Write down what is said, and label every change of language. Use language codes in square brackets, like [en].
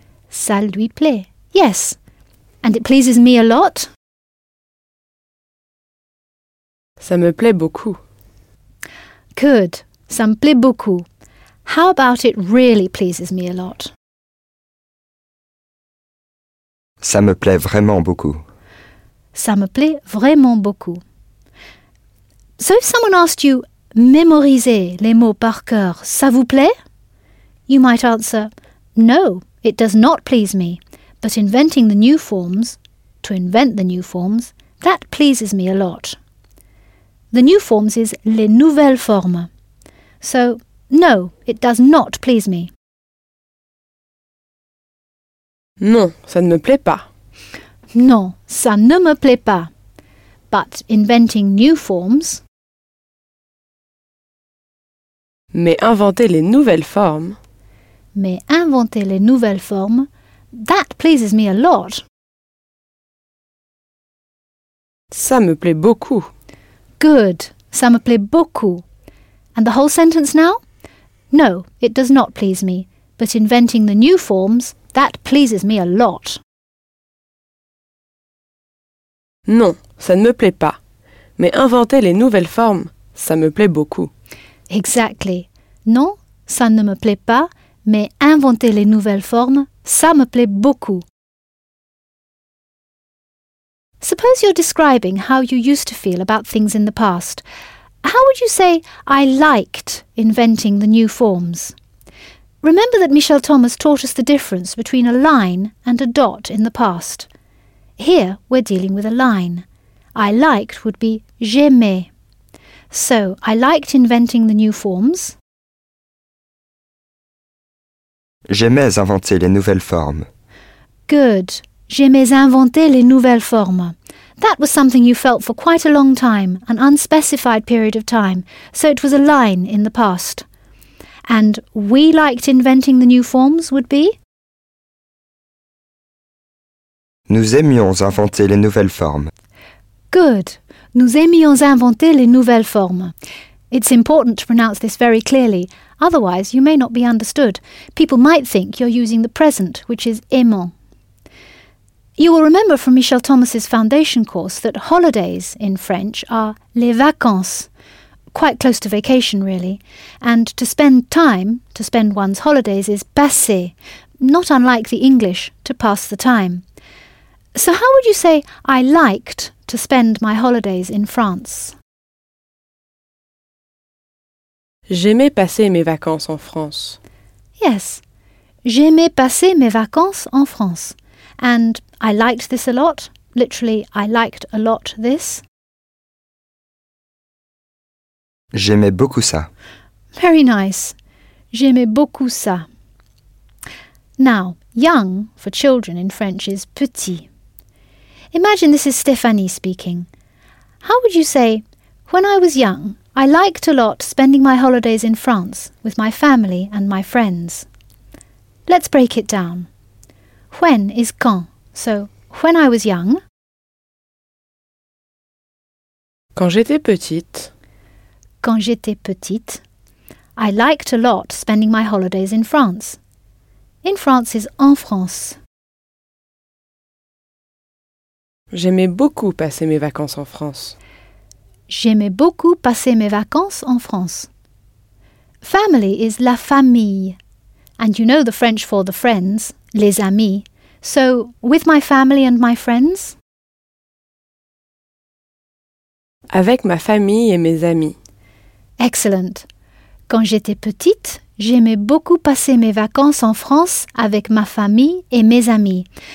[fr] Ça lui plaît. [en] Yes. And it pleases me a lot. [fr] Ça me plaît beaucoup. Good. Ça me plaît beaucoup. [en] How about it really pleases me a lot? [fr] Ça me plaît vraiment beaucoup. Ça me plaît vraiment beaucoup. [en] So if someone asked you, [fr] mémoriser les mots par cœur, ça vous plaît? [en] You might answer, no, it does not please me. But inventing the new forms, to invent the new forms, that pleases me a lot. The new forms is les nouvelles formes. So, no, it does not please me. [fr] Non, ça ne me plaît pas. Non, ça ne me plaît pas. [en] But inventing new forms... [fr] Mais inventer les nouvelles formes... Mais inventer les nouvelles formes, [en] that pleases me a lot. [fr] Ça me plaît beaucoup. Good, ça me plaît beaucoup. [en] And the whole sentence now? No, it does not please me. But inventing the new forms, that pleases me a lot. [fr] Non, ça ne me plaît pas. Mais inventer les nouvelles formes, ça me plaît beaucoup. Exactly. Non, ça ne me plaît pas. Mais inventer les nouvelles formes, ça me plaît beaucoup. [en] Suppose you're describing how you used to feel about things in the past. How would you say, I liked inventing the new forms? Remember that Michel Thomas taught us the difference between a line and a dot in the past. Here, we're dealing with a line. I liked would be j'aimais. So, I liked inventing the new forms. [fr] J'aimais inventer les nouvelles formes. [en] Good. [fr] J'aimais inventer les nouvelles formes. [en] That was something you felt for quite a long time, an unspecified period of time, so it was a line in the past. And we liked inventing the new forms would be? [fr] Nous aimions inventer les nouvelles formes. [en] Good. [fr] Nous aimions inventer les nouvelles formes. [en] It's important to pronounce this very clearly, otherwise you may not be understood. People might think you're using the present, which is aimant. You will remember from Michel Thomas's foundation course that holidays in French are les vacances, quite close to vacation really, and to spend time, to spend one's holidays, is passer, not unlike the English, to pass the time. So how would you say I liked to spend my holidays in France? [fr] J'aimais passer mes vacances en France. Yes, j'aimais passer mes vacances en France. [en] And I liked this a lot. Literally, I liked a lot this. [fr] J'aimais beaucoup ça. [en] Very nice. [fr] J'aimais beaucoup ça. [en] Now, young for children in French is petit. Imagine this is Stéphanie speaking. How would you say, when I was young, I liked a lot spending my holidays in France with my family and my friends. Let's break it down. When is quand? So, when I was young. [fr] Quand j'étais petite. Quand j'étais petite. [en] I liked a lot spending my holidays in France. In France is en France. [fr] J'aimais beaucoup passer mes vacances en France. J'aimais beaucoup passer mes vacances en France. [en] Family is la famille. And you know the French for the friends, les amis. So, with my family and my friends? [fr] Avec ma famille et mes amis. [en] Excellent. [fr] Quand j'étais petite, j'aimais beaucoup passer mes vacances en France avec ma famille et mes amis.